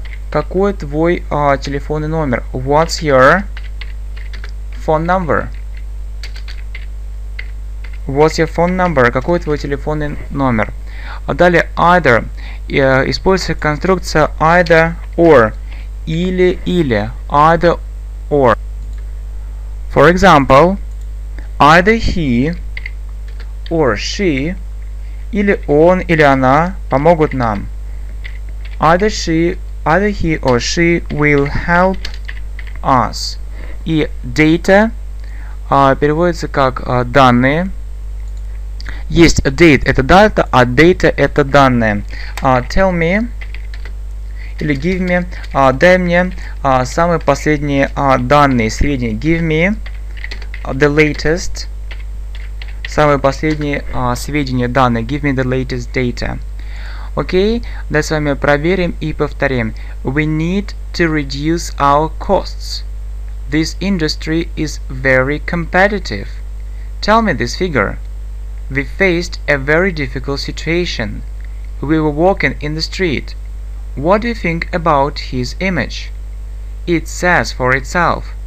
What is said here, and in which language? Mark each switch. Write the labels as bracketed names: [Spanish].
[Russian] Какой твой телефонный номер? [English] What's your phone number? What's your phone number? [Russian] Какой твой телефонный номер? Далее, either. Используется конструкция [English] either or. [Russian] Или-или. [English] Either or. For example, either he or she, [Russian] или он, или она помогут нам. [English] Either he or she will help us. [Russian] И data переводится как данные. Есть a date – это дата, а data – это данные. [English] Tell me [Russian] или [English] give me [Russian] – дай мне самые последние данные, сведения. [English] Give me the latest [Russian] – самые последние сведения, данные. [English] Give me the latest data. [Russian] Окей, давай с вами проверим и повторим. [English] We need to reduce our costs. This industry is very competitive. Tell me this figure. We faced a very difficult situation. We were walking in the street. What do you think about his image? It says for itself.